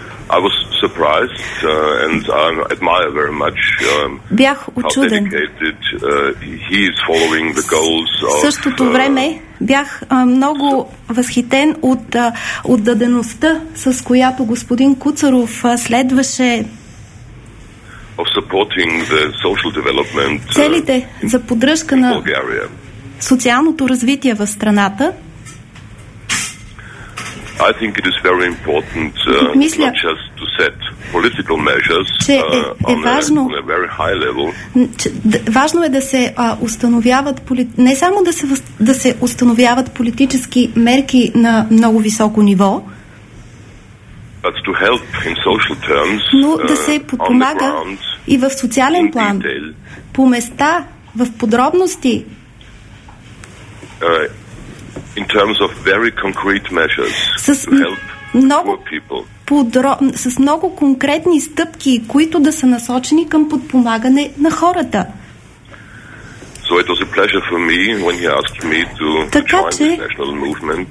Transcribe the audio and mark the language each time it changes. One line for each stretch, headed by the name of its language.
English: I was surprised and I admire very much
Bulgarian: бях учуден.
English: How dedicated he is following the goals of.
Bulgarian: Същото време бях много възхитен от отдадеността, с която господин Куцаров следваше
English: of supporting the social development
Bulgarian: целите за поддръжка на социалното развитие в страната.
English: I think it is very important not just to set political measures on a very high level.
Bulgarian: Важно е да се установяват не само да се установяват политически мерки на много високо ниво,
English: but to help in social terms,
Bulgarian: но да се подпомага и в социален план, по места, в подробности.
English: In terms of very concrete measures to help poor people.
Bulgarian: С много конкретни стъпки, които да са насочени към подпомагане на хората.
English: So it was a pleasure for me when he asked me to join the national movement.